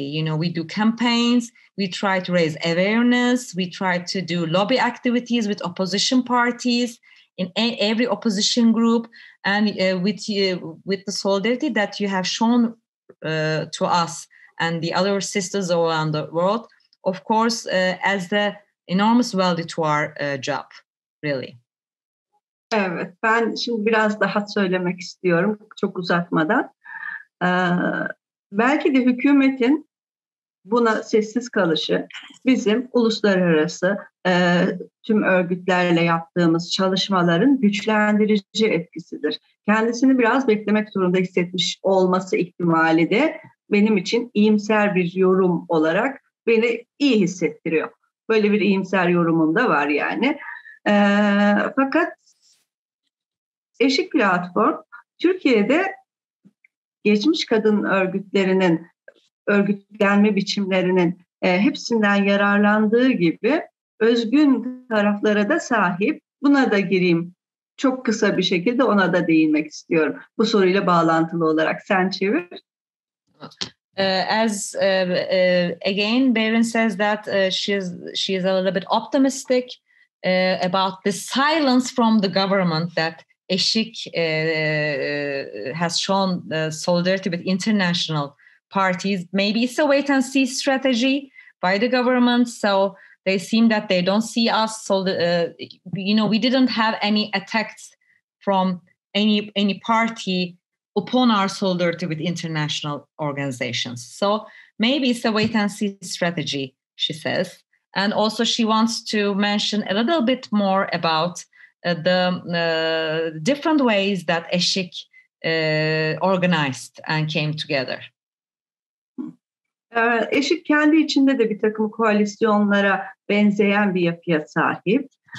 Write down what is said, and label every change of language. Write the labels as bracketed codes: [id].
[en] You know, we do campaigns, we try to raise awareness, we try to do lobby activities with opposition parties in every opposition group, and with the solidarity that you have shown to us and the other sisters all around the world, of course, as the enormous value to our job, really. [tr] Evet, ben şimdi biraz daha söylemek istiyorum, çok uzatmadan. Belki de hükümetin buna sessiz kalışı bizim uluslararası tüm örgütlerle yaptığımız çalışmaların güçlendirici etkisidir. Kendisini biraz beklemek zorunda hissetmiş olması ihtimali de benim için iyimser bir yorum olarak beni iyi hissettiriyor. Böyle bir iyimser yorumum da var yani. Fakat Eşik Platform Türkiye'de geçmiş kadın örgütlerinin örgütlenme biçimlerinin hepsinden yararlandığı gibi özgün taraflara da sahip. Buna da gireyim. Çok kısa bir şekilde ona da değinmek istiyorum. Bu soruyla bağlantılı olarak sen çevir. [en] Again, Berin says that she is a little bit optimistic about the silence from the government that Eşik has shown solidarity with international parties. Maybe it's a wait and see strategy by the government. So they seem that they don't see us. So we didn't have any attacks from any party upon our solidarity with international organizations. So maybe it's a wait and see strategy, she says. And also she wants to mention a little bit more about the different ways that Eşik organized and came together. [tr] Eşik kendi içinde de bir takım koalisyonlara benzeyen bir yapıya sahip.